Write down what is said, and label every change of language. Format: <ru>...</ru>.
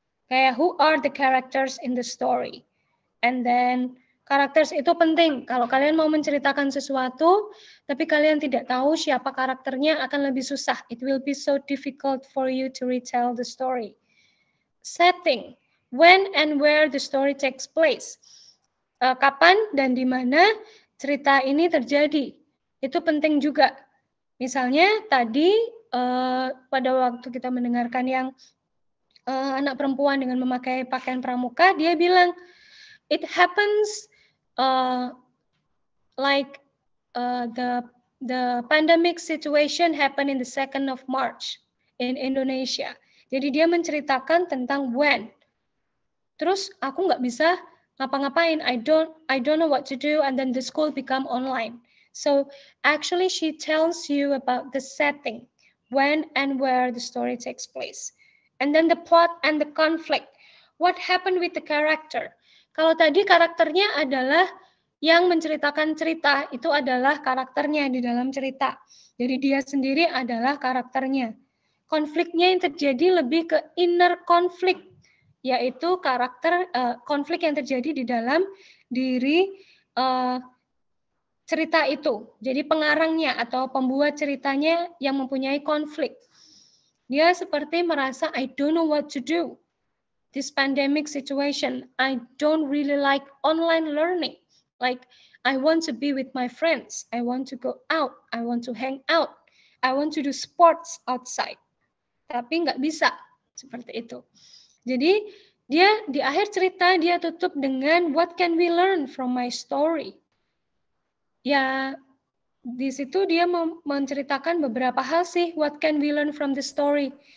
<id>Kayak,</id> <en>who are the characters in the story? And then, characters</en> <id>itu penting. Kalau kalian mau menceritakan sesuatu, tapi kalian tidak tahu siapa karakternya, akan lebih susah.</id> <en>It will be so difficult for you to retell the story. Setting. When and where the story takes place.</en> <id>Kapan dan di mana cerita ini terjadi, itu penting juga. Misalnya tadi pada waktu kita mendengarkan yang anak perempuan dengan memakai pakaian pramuka, dia bilang,</id> <en>it happens like the pandemic situation happened in the 2nd of March in Indonesia.</en> <id>Jadi dia menceritakan tentang when. Terus aku nggak bisa ngapa-ngapain,</id> <en>I don't know what to do, and then the school become online. So actually she tells you about the setting, when and where the story takes place. And then the plot and the conflict, what happened with the character.</en> <id>Kalau tadi karakternya adalah yang menceritakan cerita, itu adalah karakternya di dalam cerita. Jadi dia sendiri adalah karakternya. Konfliknya yang terjadi lebih ke inner conflict, yaitu karakter konflik yang terjadi di dalam diri cerita itu. Jadi pengarangnya atau pembuat ceritanya yang mempunyai konflik. Dia seperti merasa,</id> <en>I don't know what to do. This pandemic situation, I don't really like online learning. Like, I want to be with my friends. I want to go out. I want to hang out. I want to do sports outside.</en> <id>Tapi nggak bisa seperti itu. Jadi dia di akhir cerita dia tutup dengan</id> <en>what can we learn from my story?</en> <id>Ya di situ dia menceritakan beberapa hal sih,</id> <en>what can we learn from the story.</en>